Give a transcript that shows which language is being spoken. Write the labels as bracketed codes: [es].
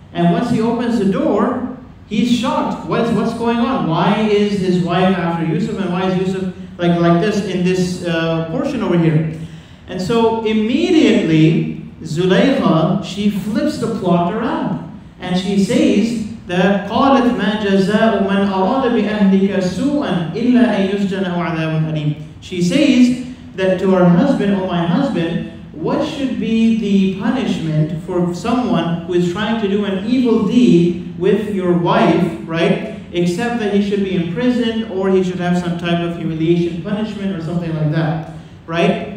[en] And once he opens the door, he's shocked. What's going on? Why is his wife after Yusuf, and why is Yusuf like this in this portion over here? And so immediately, Zulaykha, she flips the plot around. And she says that, [ar] قَالَتْ مَا جَزَاءُ مَنْ أَرَادَ بِأَهْلِكَ سُوءًا إِلَّا أَنْ يُسْجَنَ أَوْ عَذَابٌ أَلِيمٌ. [en] She says that to her husband, "Oh my husband, what should be the punishment for someone who is trying to do an evil deed with your wife, right? Except that he should be imprisoned, or he should have some type of humiliation punishment or something like that, right?